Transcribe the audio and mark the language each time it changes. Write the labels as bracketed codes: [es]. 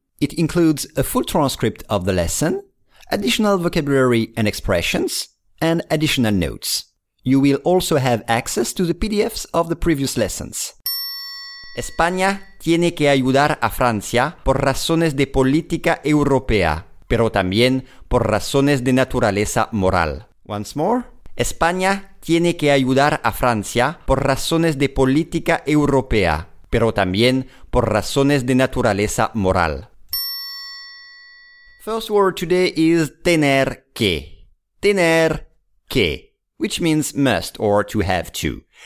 [en] It includes a full transcript of the lesson, additional vocabulary and expressions, and additional notes. You will also have access to the PDFs of the previous lessons. [es] España tiene que ayudar a Francia por razones de política europea, pero también por razones de naturaleza moral. [en] Once more. [es] España tiene que ayudar a Francia por razones de política europea, pero también por razones de naturaleza moral. [en] First word today is tener que. Tener que, which means must or to have to.